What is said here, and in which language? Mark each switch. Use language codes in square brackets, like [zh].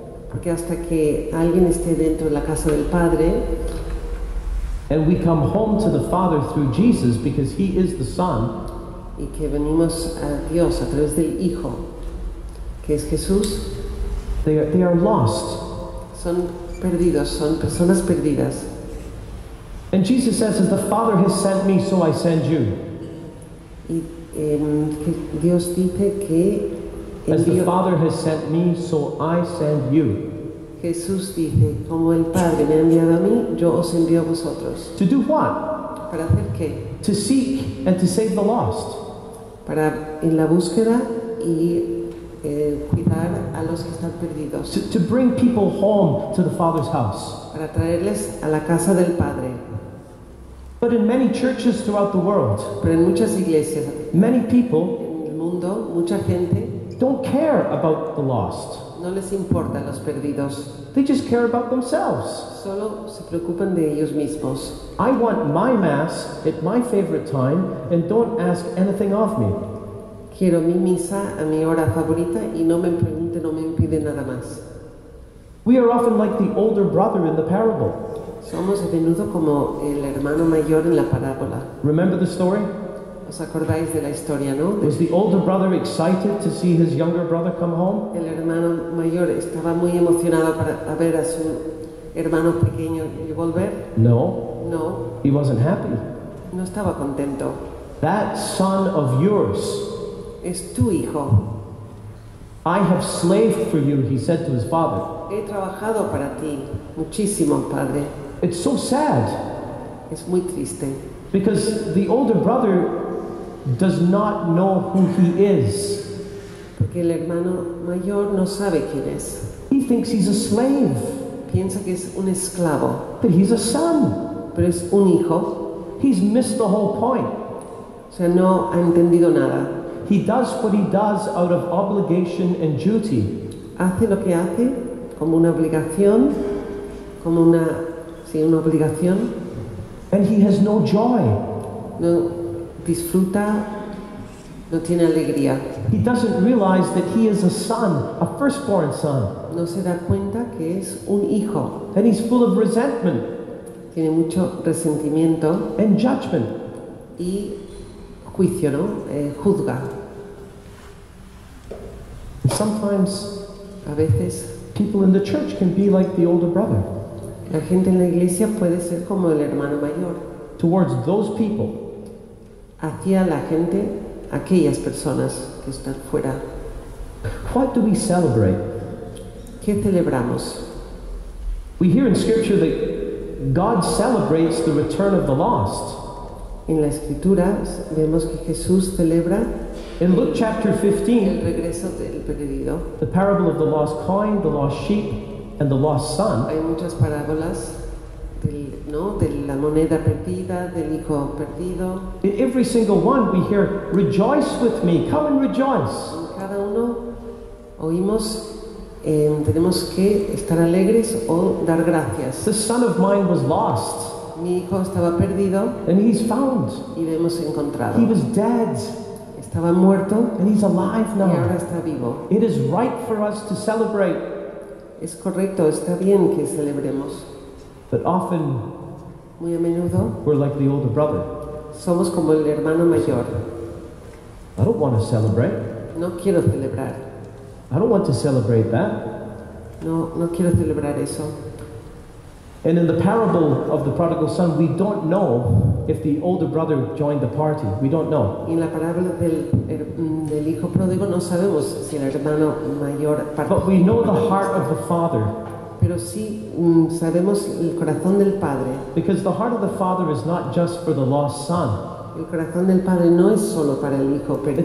[es] porque hasta que alguien esté dentro de la casa del Padre, [en] and we come home to the Father through Jesus because He is the Son, [es] y que venimos a Dios a través del Hijo, que es Jesús, [en] they are lost. [es] Son perdidos, son personas perdidas. [en] And Jesus says, as the Father has sent me, so I send you. [es] Y, Dios dice que [en] as the Father has sent me, so I send you. [es] Jesús dice, como el Padre me ha enviado a mí, yo os envío a vosotros. [en] To do what? [es] Para hacer qué? [en] To seek and to save the lost. [es] Para en la búsqueda y cuidar a los que están perdidos. [en] To bring people home to the Father's house. [es] Para traerles a la casa del Padre. [en] But in many churches throughout the world, [es] pero en muchas iglesias, [en] many people [es] en el mundo, mucha gente, [en] don't care about the lost. [es] No les importa los perdidos. [en] They just care about themselves. [es] Solo se preocupan de ellos mismos. [en] I want my mass at my favorite time and don't ask anything of me. [es] Quiero mi misa a mi hora favorita y no me pregunte, no me impide nada más. [en] We are often like the older brother in the parable. [es] Somos a menudo como el hermano mayor en la parábola. [en] Remember the story? [es] ¿Os acordáis de la historia, no? [en] Was the older brother excited to see his younger brother come home? [es] El hermano mayor estaba muy emocionado para ver a su hermano pequeño volver. [en] No. [es] No. [en] He wasn't happy. [es] No estaba contento. [en] That son of yours. [es] Es tu hijo. [en] I have slaved for you, he said to his father. [es] He trabajado para ti muchísimo, padre. [en] It's so sad. [es] Es muy triste. [en] Because the older brother does not know who he is. [es] Porque el hermano mayor no sabe quién es. [en] He thinks he's a slave. [es] Piensa que es un esclavo. [en] But he's a son. [es] Pero es un hijo. [en] He's missed the whole point. [es] O sea, no ha entendido nada. [en] He does what he does out of obligation and duty. [es] Hace lo que hace como una obligación, como una, sí, una obligación. [en] And he has no joy. [es] No disfruta, no tiene alegría. [en] He doesn't realize that he is a son, a firstborn son. [es] No se da cuenta que es un hijo. [en] And he's full of resentment. [es] Tiene mucho resentimiento. [en] And judgment. [es] Y juicio, ¿no? Juzga. [en] Sometimes, [es] a veces, [en] people in the church can be like the older brother. [es] La gente en la iglesia puede ser como el hermano mayor. [en] Towards those people. [es] Hacia la gente, aquellas personas que están fuera. [en] What do we celebrate? [es] ¿Qué celebramos? [en] We hear in Scripture that God celebrates the return of the lost. [es] En la Escritura vemos que Jesús celebra [en] in Luke chapter 15, [es] el regreso del perdido. [en] The parable of the lost coin, the lost sheep, and the lost son. [es] Hay muchas parábolas del, ¿no? De la moneda perdida, del hijo perdido. [en] In every single one we hear, rejoice with me, come and rejoice. [es] En cada uno oímos, tenemos que estar alegres o dar gracias. [en] The son of mine was lost. [es] Mi hijo estaba perdido. [en] And he's found. [es] Y lo hemos encontrado. [en] He was dead. [es] Estaba muerto. [en] And he's alive now. [es] Y ahora está vivo. [en] It is right for us to celebrate. [es] Es correcto, está bien que celebremos. [en] But often, [es] muy a menudo, [en] we're like the older brother. [es] Somos como el hermano mayor. [en] I don't want to celebrate. [es] No quiero celebrar. [en] I don't want to celebrate that. [es] No quiero celebrar eso. [en] And in the parable of the prodigal son, we don't know if the older brother joined the party. We don't know. [es] En la parábola del hijo pródigo no sabemos si el hermano mayor participó. [en] But we know the heart of the father. [es] Pero sí sabemos el corazón del padre. [en] Because the heart of the father is not just for the lost son. [es] El corazón del padre no es solo para el hijo perdido.